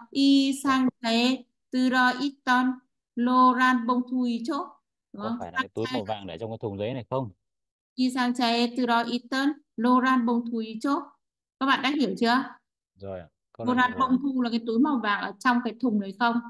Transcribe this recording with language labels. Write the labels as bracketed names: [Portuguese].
[Korean] 이 상자에 들어있던 노란 봉투이죠? [Vietnamese] Đúng Có không? phải là cái túi màu vàng để trong cái thùng giấy này không? [Korean] 이 상자에 들어있던 노란 봉투이죠? [Vietnamese] Các bạn đã hiểu chưa? Rồi, con đã [Korean] Noran [Vietnamese] hiểu rồi ạ. bông thu là cái túi màu vàng ở trong cái thùng này không?